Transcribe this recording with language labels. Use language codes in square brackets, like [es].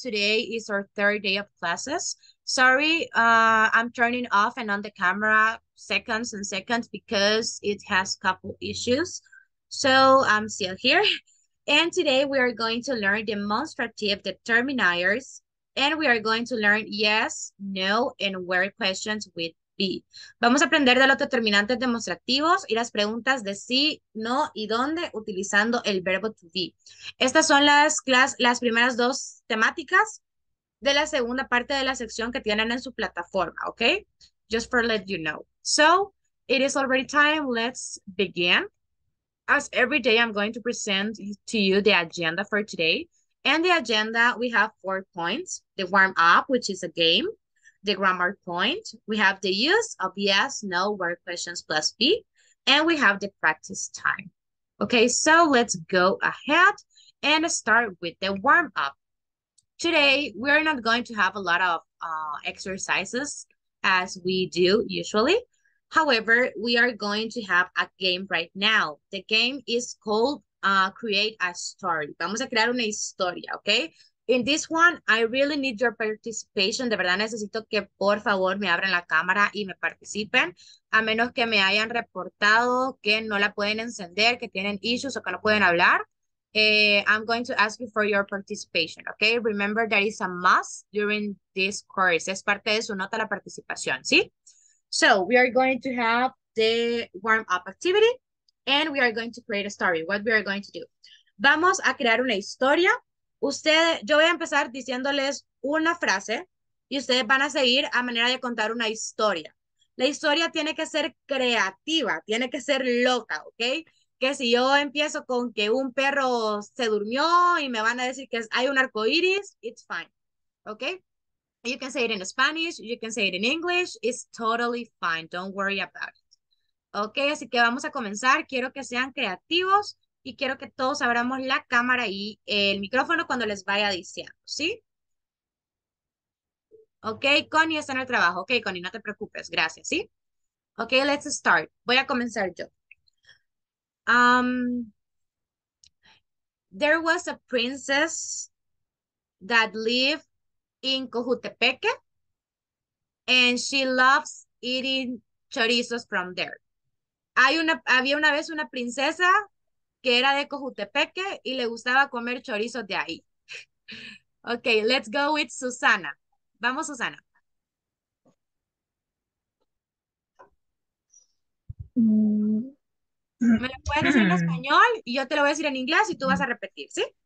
[en] Today is our third day of classes. Sorry, I'm turning off and on the camera seconds and seconds because it has couple issues. So I'm still here. And today we are going to learn demonstrative determiners, and we are going to learn yes, no, and where questions with be. [es] Vamos a aprender de los determinantes demostrativos y las preguntas de sí, no y dónde utilizando el verbo to be. Estas son las primeras dos temáticas de la segunda parte de la sección que tienen en su plataforma, ¿ok? [en] Just for let you know. So it is already time. Let's begin. As every day, I'm going to present to you the agenda for today. And the agenda, we have 4 points: the warm up, which is a game, the grammar point, we have the use of yes, no, where questions plus be, and we have the practice time. Okay, so let's go ahead and start with the warm up. Today, we're not going to have a lot of exercises as we do usually. However, we are going to have a game right now. The game is called Create a Story. [es] Vamos a crear una historia, okay? [en] In this one, I really need your participation. [es] De verdad necesito que por favor me abran la cámara y me participen, a menos que me hayan reportado que no la pueden encender, que tienen issues o que no pueden hablar. [en] I'm going to ask you for your participation, okay? Remember that is a must during this course. [es] Es parte de su nota la participación, ¿sí? [en] So, we are going to have the warm-up activity and we are going to create a story. What we are going to do? [es] Vamos a crear una historia. Yo voy a empezar diciéndoles una frase y ustedes van a seguir a manera de contar una historia. La historia tiene que ser creativa, tiene que ser loca, ¿ok? Que si yo empiezo con que un perro se durmió y me van a decir que hay un arco iris, [en] it's fine, [es] ¿ok? [en] You can say it in Spanish, you can say it in English, it's totally fine, don't worry about it. [es] Ok, así que vamos a comenzar. Quiero que sean creativos y quiero que todos abramos la cámara y el micrófono cuando les vaya diciendo, ¿sí? Ok, Connie está en el trabajo. Ok, Connie, no te preocupes, gracias, ¿sí? [en] Ok, let's start. [es] Voy a comenzar yo. [en] There was a princess that lived in Cojutepeque, and she loves eating chorizos from there. [es] Había una vez una princesa que era de Cojutepeque y le gustaba comer chorizos de ahí. [en] Okay, let's go with Susana. [es] Vamos, Susana. ¿Me lo puedes decir en español? Y yo te lo voy a decir en inglés y tú vas a repetir, ¿sí?